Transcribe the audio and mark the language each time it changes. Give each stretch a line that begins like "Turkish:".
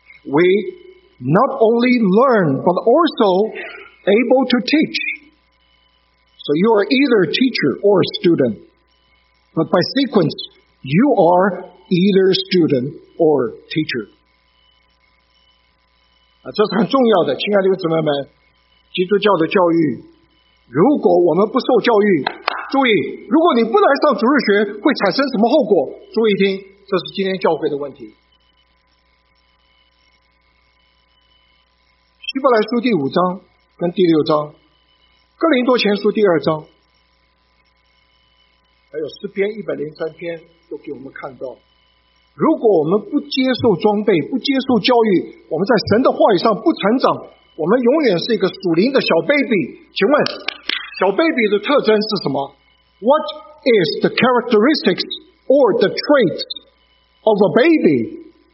English: We not only learn, but also... Able to teach. So you are either a teacher or a student. But by sequence, you are either student or teacher.
Chinese: 啊，这是很重要的，亲爱的姊妹们，基督教的教育，如果我们不受教育，注意，如果你不来上主日学，会产生什么后果？注意听，这是今天教会的问题。希伯来书第五章跟第六章，哥林多前书第二章，还有诗篇103篇，都给我们看到，如果我们不接受装备，不接受教育，我们在神的话语上不成长，我们永远是一个属灵的小 baby。请问小 baby 的特征是什么？
English: What is the characteristics or the traits of a baby?